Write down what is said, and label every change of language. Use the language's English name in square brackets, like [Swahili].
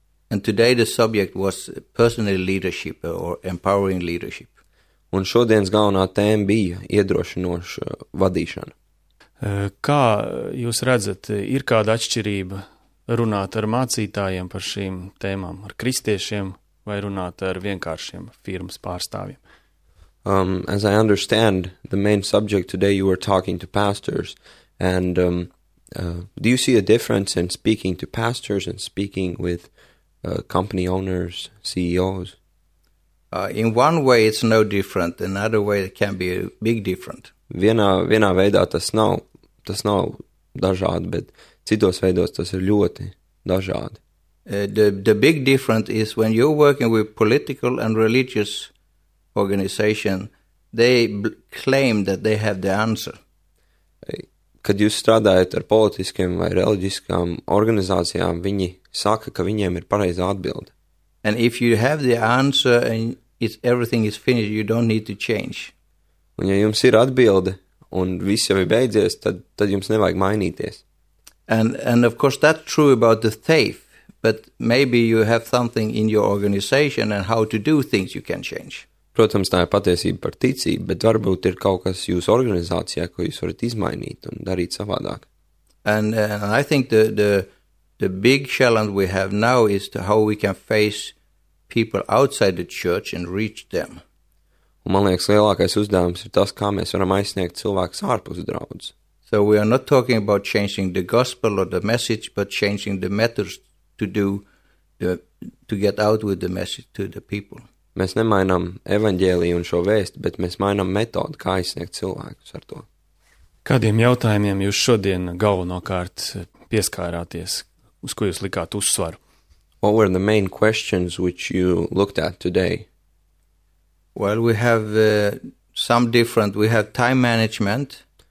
[English] And today the subject was personal leadership or empowering leadership. [Latvian] Un šodienas galvenā tēma bija iedrošinoša vadīšana. Kā jūs redzat, ir kāda atšķirība runāt ar mācītājiem par šīm tēmām, ar kristiešiem vai runāt ar vienkāršiem firmas pārstāvjiem? [English] As I understand, the main subject today you were talking to pastors, and do you see a difference in speaking to pastors and speaking with company owners, CEOs? In one way it's no different, another way it can be a big different. [Latvian] Vienā veidā tas nav dažādi, bet citos veidos tas ir ļoti dažādi. [English] The big difference is when you're working with political and religious organization, they claim that they have the answer. [Latvian] kad jūs strādājat ar politiskiem vai reliģiskām organizācijām, viņi saka, ka viņiem ir pareizā atbilde. [English] And if you have the answer and everything is finished, you don't need to change. [Latvian] Un ja jums ir atbilde un viss jau ir beidzies, tad jums nevajag mainīties. [English] And of course that's true about the thief, but maybe you have something in your organization and how to do things you can change. [Latvian] Protams, tā ir patiesība par ticību, bet varbūt ir kaut kas jūsu organizācijā, ko jūs varat izmainīt un darīt savādāk. [English] And I think the big challenge we have now is to how we can face people outside the church and reach them. [Latvian] Un man liekas, lielākais uzdevums ir tas, kā mēs varam aizsniegt cilvēkus ārpus draudzes. [English] So we are not talking about changing the gospel or the message, but changing the methods to get out with the message to the people. [Latvian] Mēs nemainām evaņģēliju un šo vēstu, bet mēs mainām metodu, kā aizsniegt cilvēkus ar to. Kādiem jautājumiem jūs šodien galvenokārt pieskārāties, uz ko jūs likāt uzsvaru? [English] What were the main questions which you looked at today? Well, we have some different, we have time management.